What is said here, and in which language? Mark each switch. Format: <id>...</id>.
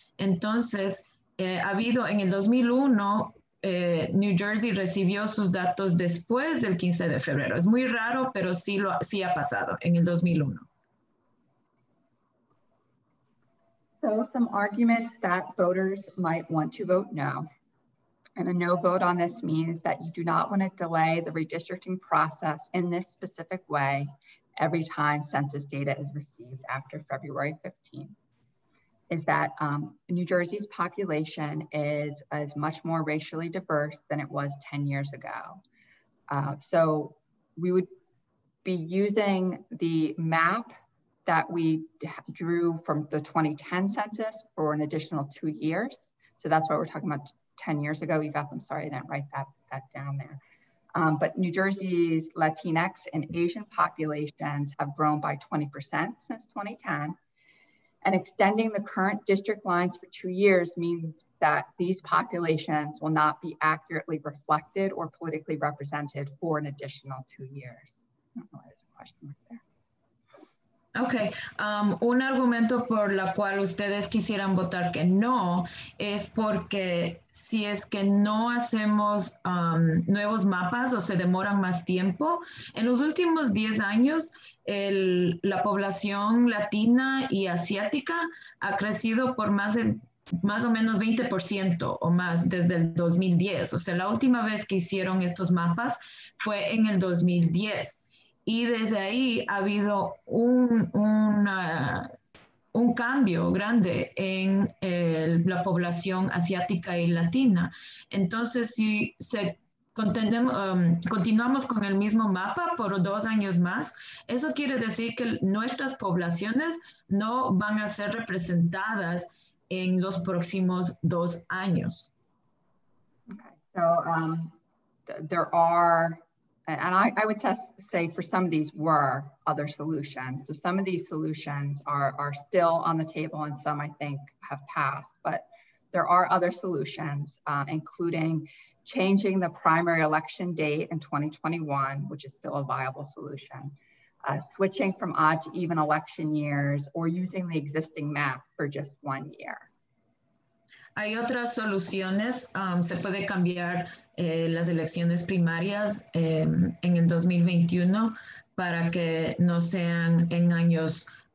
<es>Entonces, ha habido en el 2001, New Jersey recibió sus datos después del 15 de febrero. Es muy raro, pero sí ha pasado en el 2001.</es> <en>So some arguments that voters might want to vote no. And a no vote on this means that you do not want to delay the redistricting process in this specific way every time census data is received after February 15th, is that New Jersey's population is much more racially diverse than it was 10 years ago. So we would be using the map that we drew from the 2010 census for an additional 2 years. So that's why we're talking about 10 years ago. Iveth, I'm sorry, I didn't write that down there. But New Jersey's Latinx and Asian populations have grown by 20% since 2010. And extending the current district lines for 2 years means that these populations will not be accurately reflected or politically represented for an additional 2 years. I don't know why there's a question right there. Okay.</en> <es>Un argumento por la cual ustedes quisieran votar que no es porque si es que no hacemos nuevos mapas o se demoran más tiempo, en los últimos 10 años la población latina y asiática ha crecido por más o menos 20% o más desde el 2010. O sea, la última vez que hicieron estos mapas fue en el 2010. Y desde ahí ha habido un cambio grande en la población asiática y latina. Entonces, si continuamos con el mismo mapa por 2 años más, eso quiere decir que nuestras poblaciones no van a ser representadas en los próximos 2 años.</es> <en>Okay. So I would say for some of these were other solutions. So some of these solutions are still on the table and some I think have passed, but there are other solutions, including changing the primary election date in 2021, which is still a viable solution, switching from odd to even election years, or using the existing map for just 1 year.</en> <es>Hay otras soluciones. Se puede cambiar las elecciones primarias en el 2021 para que no sean en años</es>